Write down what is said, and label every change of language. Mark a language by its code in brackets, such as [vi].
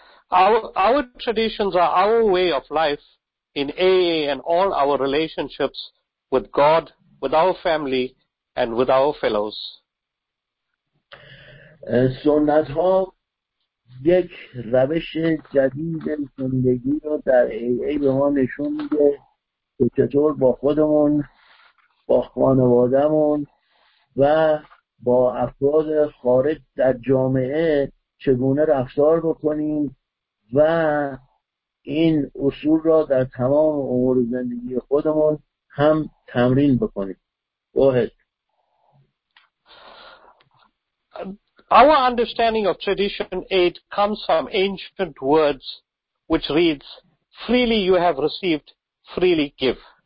[en] Our traditions are our way of life in AA and all our relationships with God, with our family, and with our fellows. [fa] سنت ها یک روش جدید زندگی رو در AA به ما نشون میده که چطور با خودمون، با خانوادمون و با افراد خارج در جامعه چگونه رفتار بکنیم و این اصول را در تمام امور زندگی خودمون هم تمرین بکنیم. [en] Go ahead. Our understanding of tradition 8 comes from ancient words which reads freely you have received, freely give.